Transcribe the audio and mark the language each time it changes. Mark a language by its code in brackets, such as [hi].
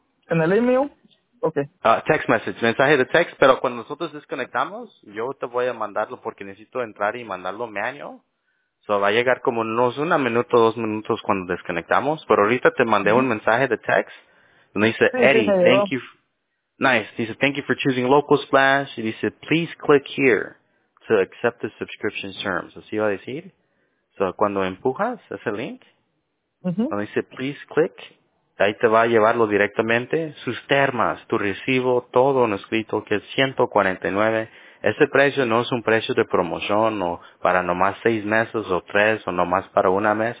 [es] ¿En el email? Ok. [en] Text message. [es] Mensaje de text. Pero cuando nosotros desconectamos, yo te voy a mandarlo porque necesito entrar y mandarlo manual. So va a llegar como unos 1 minuto, 2 minutos cuando desconectamos. Pero ahorita te mandé un mensaje de text. Donde dice, [en] Eddie, thank you. Nice. Dice, thank you for choosing Local Splash. [es] Y dice, [en] please click here to accept the subscription terms. [es] Así va a decir. So, cuando empujas ese link, cuando dice [en] please click, [es] ahí te va a llevarlo directamente, sus termas, tu recibo, todo un escrito que es 149, Ese precio no es un precio de promoción o para nomás 6 meses o 3 o nomás para 1 mes.